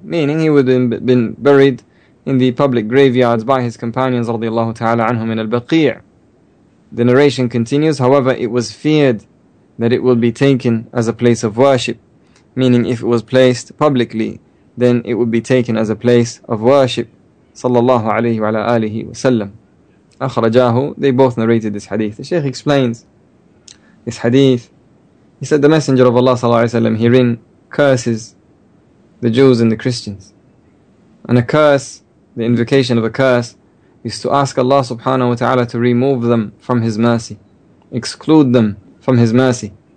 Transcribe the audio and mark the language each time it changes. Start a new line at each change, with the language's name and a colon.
English: Meaning he would have been buried in the public graveyards by his companions, radiallahu ta'ala anhum, in al-Baqi'. The narration continues, however, it was feared that it will be taken as a place of worship. Meaning if it was placed publicly, then it would be taken as a place of worship.
Arabic: صلى الله عليه وعلى آله وسلم أخرجاه.
English: They both narrated this hadith. The Shaykh explains this hadith. He said the Messenger of Allah صلى الله عليه وسلم herein curses the Jews and the Christians. And a curse, the invocation of a curse, is to ask Allah subhanahu wa ta'ala to remove them from His mercy, exclude them from His mercy.